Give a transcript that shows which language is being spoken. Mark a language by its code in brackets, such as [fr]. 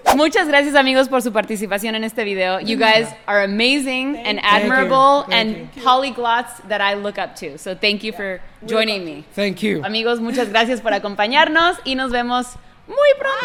[es] Muchas gracias, amigos, por su participación en este video. [en] You guys are amazing and admirable and polyglots that I look up to. So thank you for joining me. Thank you. [es] Amigos, muchas gracias por acompañarnos y nos vemos muy pronto.